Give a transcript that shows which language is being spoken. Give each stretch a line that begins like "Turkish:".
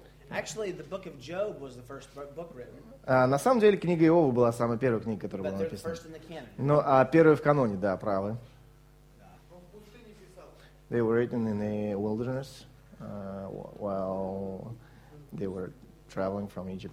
English: Actually, the book of Job was the first book written.
Russian: На самом деле, книга Иова была самой первой книгой, которая была написана.
English: But they're the first in the canon.
Russian: Но первая в каноне, да, правы.
English: They were written in the wilderness while they were traveling from Egypt.